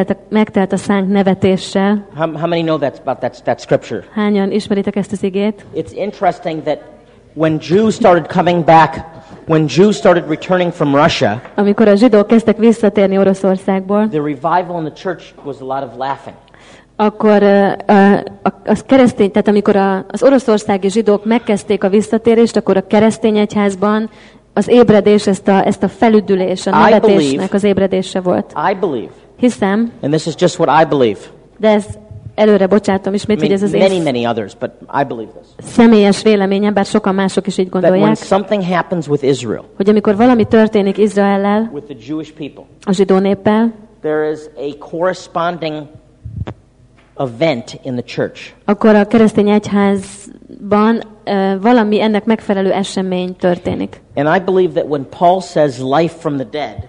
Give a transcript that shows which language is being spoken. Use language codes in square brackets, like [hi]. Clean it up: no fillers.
[hu] Megtelt a szánk nevetéssel. [en] How many know that's about that scripture? [hu] Hányan ismeritek ezt az igét? [en] It's interesting that when Jews started coming back, when Jews started returning from Russia, [hu] amikor a zsidók kezdtek visszatérni Oroszországból, [en] the revival in the church was a lot of laughing. [hu] Akkor az keresztény, tehát amikor az oroszországi zsidók megkezdték a visszatérést, akkor a keresztény egyházban az ébredés, ezt a felüdülés, a nevetésnek az ébredése volt. [en] I believe. [hu] Hiszem. [en] And this is just what I believe. [hu] De ez előre bocsátom ismét, hogy ez az [en] many others, but I believe this. [hu] Személyes véleményem, bár sokan mások is így gondolják. [en] When something happens with Israel, [hu] hogy amikor valami történik Izraellel, [en] with the Jewish people, [hu] a zsidó néppel, [en] there is a corresponding event in the church. [hu] Akkor a keresztény egyházban valami ennek megfelelő esemény történik. [en] And I believe that when Paul says life from the dead,